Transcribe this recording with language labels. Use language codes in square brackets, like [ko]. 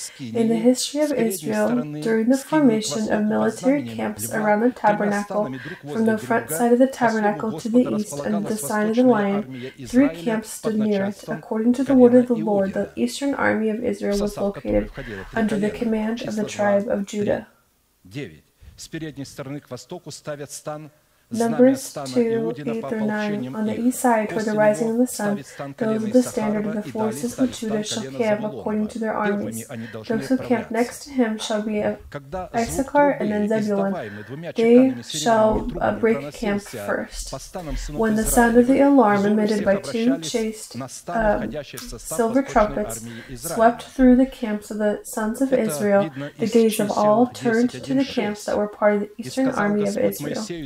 [en] In the history of Israel, during the formation of military camps around the tabernacle, from the front side of the tabernacle to the east under the sign of the lion, three camps stood near it. According to the word of the Lord, the eastern army of Israel was located under the command of the tribe of Judah. [ru] С передней стороны к востоку ставят стан [en] Numbers 2:8-9. On the east side, for the rising of the sun, those are the standard of the forces of Judah shall camp according to their armies. Those who camp next to him shall be Issachar and then Zebulun. They shall break camp first. When the sound of the alarm, emitted by two chased silver trumpets, swept through the camps of the sons of Israel, the gaze of all turned to the camps that were part of the eastern army of Israel.